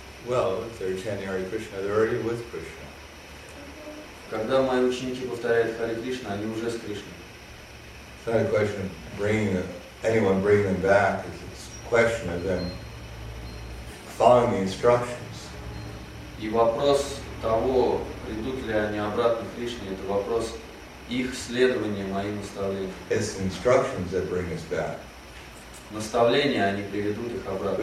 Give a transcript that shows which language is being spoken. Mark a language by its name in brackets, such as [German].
[English] Well, if they're chanting Hare Krishna, they're already with Krishna. [Russian] Когда мои ученики повторяют Харе Кришна, они уже с Кришной. [English] It's not a question of bringing them back. It's a question of them following the instructions. [Russian] И вопрос того, придут ли они обратно к Кришне, это вопрос их следования моим наставлениям. [English] It's instructions that bring us back. [Russian] Наставления, они приведут их обратно.